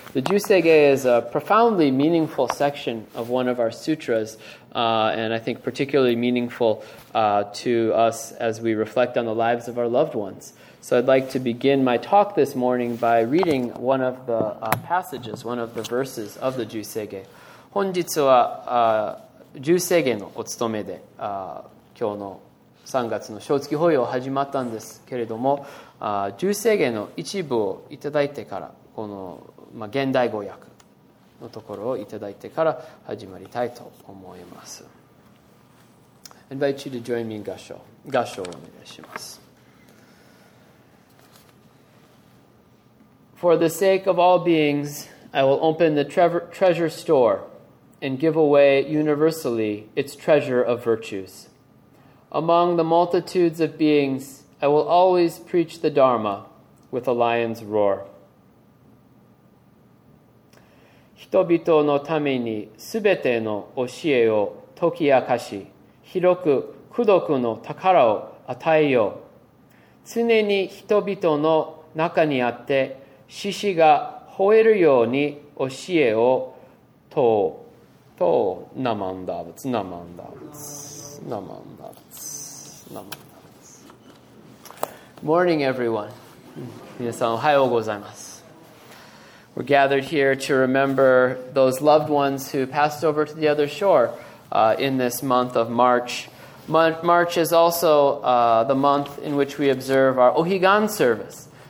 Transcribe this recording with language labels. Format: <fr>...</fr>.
<en>The Jusege is a profoundly meaningful section of one of our sutras, and I think particularly meaningful to us as we reflect on the lives of our loved ones. So I'd like to begin my talk this morning by reading one of the passages, one of the verses of the Jusege.</en> <ja>本日は Jusege のお勤めで今日の3月の正月法要を始まったんですけれども、Jusege の一部をいただいてから、この現代語訳のところをいただいてから始まりたいと思います。</ja> <en>I invite you to join me in 合唱。合唱をお願いします。 For the sake of all beings, I will open the treasure store and give away universally its treasure of virtues. Among the multitudes of beings, I will always preach the Dharma with a lion's roar.</en> <ja>人々のためにすべての教えを解き明かし、広く功徳の宝を与えよう。常に人々の中にあって、獅子が吠えるように教えを問う。と、ナマンダーブツ、ナマンダーブツ、ナマンダーブツ、ナマンダーブツ。</ja> <en>Morning, everyone.</en> <ja>皆さん、おはようございます。</ja> <en>We're gathered here to remember those loved ones who passed over to the other shore in this month of March. March is also the month in which we observe our Ohigan service.</en>